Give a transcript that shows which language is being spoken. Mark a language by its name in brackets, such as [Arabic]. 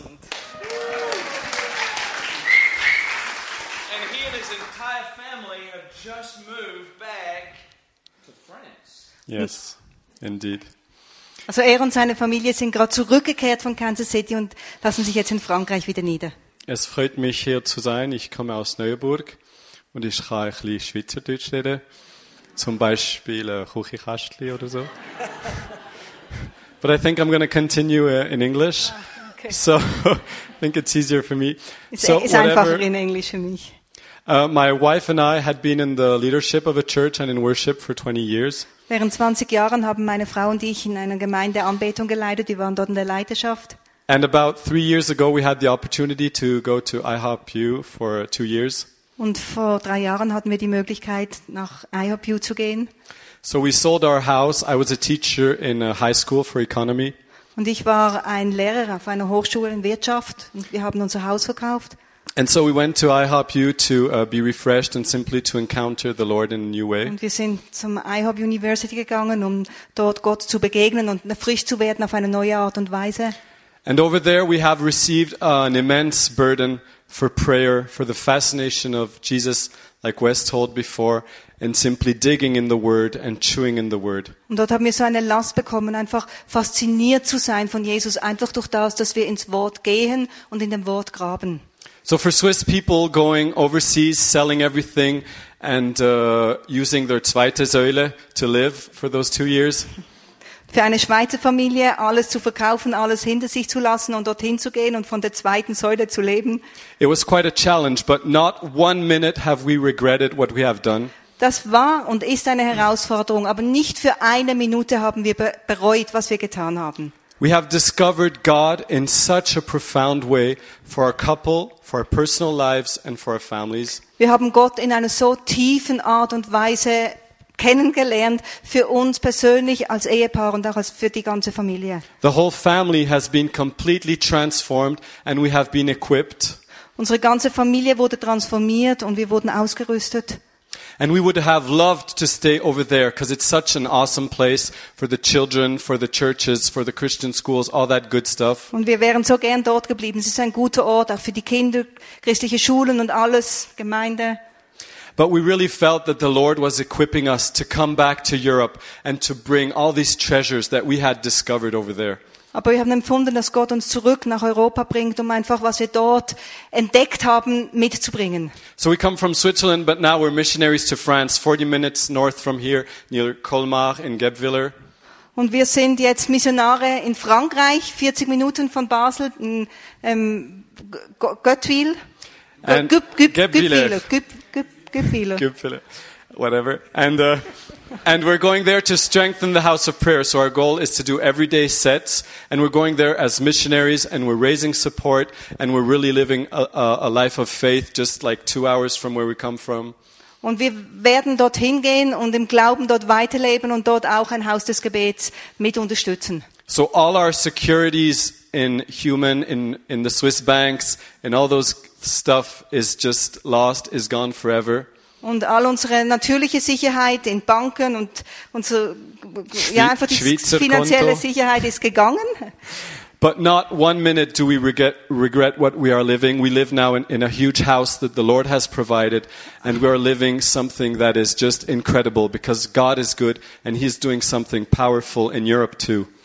[English] And he and his entire family have just moved back to France. Yes, indeed. [German] Also er und seine Familie sind gerade zurückgekehrt von Kansas City und lassen sich jetzt in Frankreich wieder nieder. Es freut mich, hier zu sein. Ich komme aus Neuburg und ich kann ein bisschen Schweizerdeutsch reden. Zum Beispiel Kuchikastli oder so. [English] But I think I'm going to continue in English. So, I think it's easier for me. [German] Einfacher in Englisch für mich. [English] My wife and I had been in the leadership of a church and in worship for 20 years. [German] Während 20 Jahren haben meine Frau und ich in einer Gemeinde Anbetung geleitet. Wir waren dort in der Leiterschaft. [English] And about 3 years ago, we had the opportunity to go to IHOPU for 2 years. [German] Und vor 3 Jahren hatten wir die Möglichkeit, nach IHOPU zu gehen. [English] So we sold our house. I was a teacher in a high school for economy. [German] Und ich war ein Lehrer auf einer Hochschule in Wirtschaft und wir haben unser Haus verkauft. [English] And so we went to IHOPU to be refreshed and simply to encounter the Lord in a new way. [German] Und wir sind zum IHOP University gegangen, um dort Gott zu begegnen und frisch zu werden auf eine neue Art und Weise. [English] And over there we have received an immense burden for prayer, for the fascination of Jesus, like Wes told before, and simply digging in the word and chewing in the word. [German] Und dort haben wir so eine Last bekommen, einfach fasziniert zu sein von Jesus, einfach durch das, dass wir ins Wort gehen und in dem Wort graben. [English] So for Swiss people going overseas, selling everything and using their zweite Säule to live for those 2 years. [German] für eine Schweizer Familie, alles zu verkaufen, alles hinter sich zu lassen und dorthin zu gehen und von der zweiten Säule zu leben. [English] It was quite a challenge, but not one minute have we regretted what we have done. [German] Das war und ist eine Herausforderung, aber nicht für eine Minute haben wir bereut, was wir getan haben. [English] We have discovered God in such a profound way for our couple, for our personal lives and for our families. [German] Wir haben Gott in einer so tiefen Art und Weise kennengelernt für uns persönlich als Ehepaar und auch für die ganze Familie. [English] The whole family has been completely transformed and we have been equipped. [German] Unsere ganze Familie wurde transformiert und wir wurden ausgerüstet. [English] And we would have loved to stay over there because it's such an awesome place for the children, for the churches, for the Christian schools, all that good stuff. [German] Und wir wären so gern dort geblieben. Es ist ein guter Ort auch für die Kinder, christliche Schulen und alles, Gemeinde. [English] But we really felt that the Lord was equipping us to come back to Europe and to bring all these treasures that we had discovered over there. [German] Aber wir haben empfunden, dass Gott uns zurück nach Europa bringt, um einfach, was wir dort entdeckt haben, mitzubringen. [English] So we come from Switzerland, but now we're missionaries to France, 40 minutes north from here, near Colmar in Gebwiller. [German] Und wir sind jetzt Missionare in Frankreich, 40 Minuten von Basel, in Göttwil. [English] Göttwiller. Whatever. And we're going there to strengthen the house of prayer. So our goal is to do everyday sets. And we're going there as missionaries and we're raising support and we're really living a life of faith just like 2 hours from where we come from. [German] Und wir werden dorthin gehen und im Glauben dort weiterleben und dort auch ein Haus des Gebets mit unterstützen. [English] So all our securities in human, in the Swiss banks, in all those stuff is just lost, is gone forever. [German] Und all unsere natürliche Sicherheit in Banken und unsere ja einfach die Schweizer finanzielle Konto. Sicherheit ist gegangen. [English] But not one minute do we regret what we are living. We live now in a huge house that the Lord has provided and we are living something that is just incredible because God is good and he's doing something powerful in Europe too.